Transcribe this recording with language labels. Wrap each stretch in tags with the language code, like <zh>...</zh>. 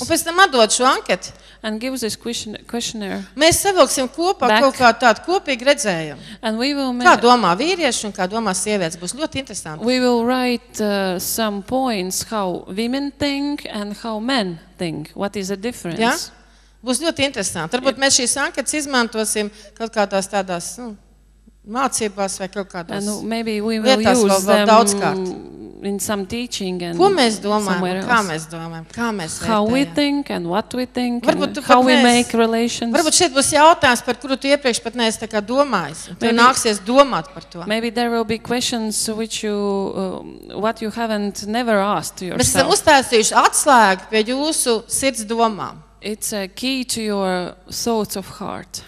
<lv>Un pēc tam atdod šo anketi.</lv> <en>And give this questionnaire.</en> <lv>Mēs savilksim kopā</lv> <en>back.</en> <lv>Kaut kā tādu kopīgu redzējumu.</lv> <en>And we will</en> <lv>kā domā vīrieši un kā domā sievietes, būs ļoti interesanti.</lv> <en>We will write some points how women think and how men think. What is the difference?</en> <lv>Ja? Būs ļoti interesanti. Varbūt mēs šīs anketas izmantosim kaut kādās tādās mācībās vai kaut kādās</lv> <en>and maybe we will</en> <lv>lietās</lv> <en>use</en> <lv>vēl daudz kārt.</lv> <en>In some teaching and</en> <lv>ko mēs domājam, kā mēs domājam, kā mēs vērtējam.</lv> <en>How we think and what we think and how we make relations.</en> <lv>Varbūt šeit būs jautājums, par kuru tu iepriekš pat neesi tā kā domājis. Tev nāksies domāt par to.</lv> <en>Maybe there will be questions which you, what you haven't never asked yourself.</en> <lv>Mēs esam uztaisījuši atslēgu pie jūsu sirds domām.</lv> <en>It's a key to your thoughts of heart.</en>